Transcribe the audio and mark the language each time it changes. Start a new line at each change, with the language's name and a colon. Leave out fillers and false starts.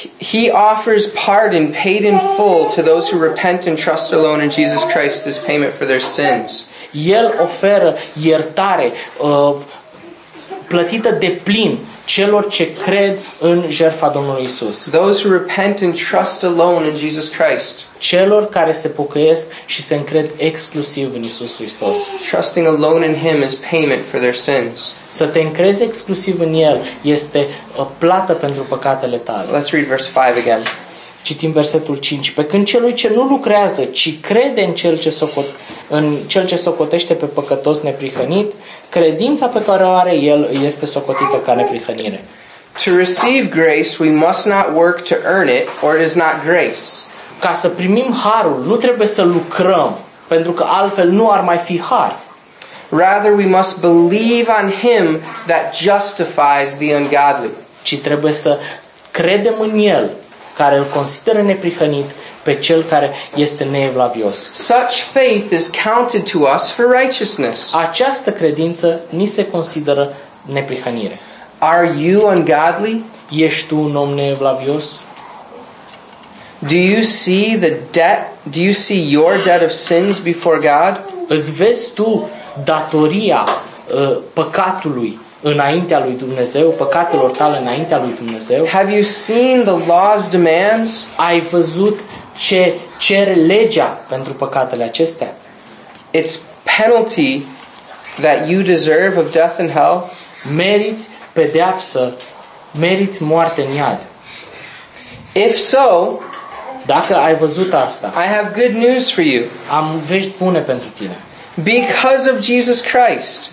English: He offers pardon paid in full to those who repent and trust alone in Jesus Christ as payment for their sins.
Romanian: El oferă iertare plătită deplin celor ce cred în jertfa Domnului Isus.
English: Those who repent and trust alone in Jesus Christ.
Romanian: Celor care se pocăiesc și se încred exclusiv în Isus Hristos.
English: Trusting alone in him is payment for their sins.
Romanian: Să te încrezi exclusiv în el este plată pentru păcatele tale.
English: Let's read verse 5 again.
Romanian: Citim versetul 5. Pe când celui ce nu lucrează, ci crede în cel ce socotește pe păcătos neprihănit, credința pe care o are el este socotită ca neprihănire.
English: To receive grace, we must not work to earn it, or it is not grace.
Romanian: Ca să primim harul, nu trebuie să lucrăm, pentru că altfel nu ar mai fi har.
English: Rather, we must believe on him that justifies the ungodly.
Romanian: Ci trebuie să credem în el, care îl consideră neprihănit, pe cel care este neevlavios.
English: Such faith is counted to us for righteousness.
Romanian: Această credință ni se consideră neprihănire.
English: Are you ungodly?
Romanian: Ești tu un om neevlavios?
English: Do you see the debt? Do you see your debt of sins before God?
Romanian: Îți vezi tu datoria păcatului înaintea lui Dumnezeu, păcatelor tale înaintea lui Dumnezeu?
English: Have you seen the law's demands?
Romanian: Ai văzut ce cere legea pentru păcatele acestea?
English: It's penalty that you deserve of death and hell.
Romanian: Meriți pedeapsă, meriți moarte în iad.
English: If so,
Romanian: dacă ai văzut asta,
English: I have good news for you.
Romanian: Am vești bune pentru tine.
English: Because of Jesus Christ,